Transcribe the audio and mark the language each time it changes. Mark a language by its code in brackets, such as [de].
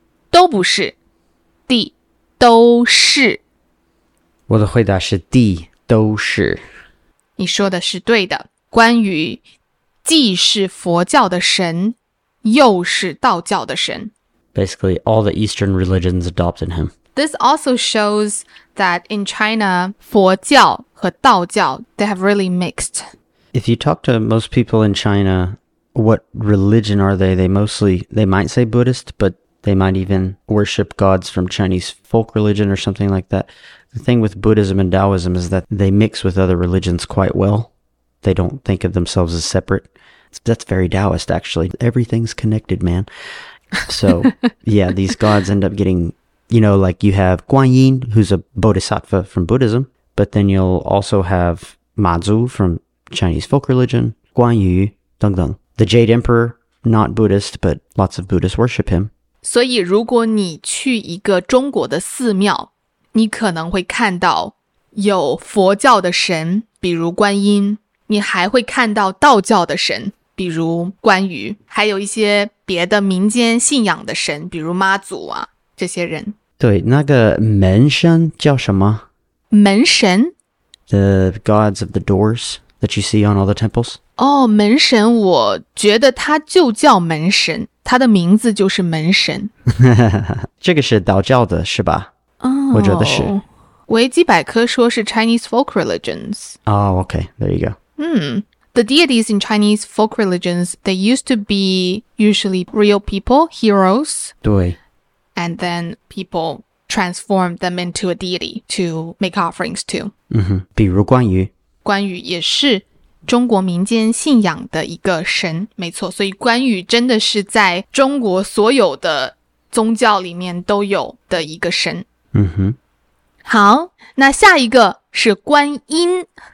[zh] 都不是 D. 都是我的回答是 D. 都是你说的是对的关羽既是佛教的神又是道教的神 [en] Basically, all the Eastern religions adopted him. This also shows that in China, [zh] 佛教和道教, [en] they have really mixed. If you talk to most people in China, what religion are they? They might say Buddhist, but they might even worship gods from Chinese folk religion or something like that. The thing with Buddhism and Taoism is that they mix with other religions quite well. They don't think of themselves as separate. That's very Taoist, actually. Everything's connected, man. So, yeah, these gods end up getting, you know, like you have Guan Yin, who's a bodhisattva from Buddhism, but then you'll also have Ma Zu from Chinese folk religion, Guan Yu, deng deng. The Jade Emperor, not Buddhist, but lots of Buddhists worship him. [zh] 所以如果你去一个中国的寺庙,你可能会看到有佛教的神,比如观音,你还会看到道教的神。比如关羽，还有一些别的民间信仰的神，比如妈祖啊，这些人。对，那个门神叫什么？门神 [en] ？The gods of the doors that you see on all the temples. [zh] 哦，门神，我觉得他就叫门神，他的名字就是门神。这个是道教的，是吧？哦，我觉得是。维基百科说是 [en] Chinese folk religions. Oh, okay, there you go. The deities in Chinese folk religions, they used to be usually real people, heroes. [zh] 对。 [en] And then people transform them into a deity to make offerings to. [zh] 嗯哼，比如关羽。关羽也是中国民间信仰的一个神，没错。所以关羽真的是在中国所有的宗教里面都有的一个神。嗯哼。好，那下一个是观音。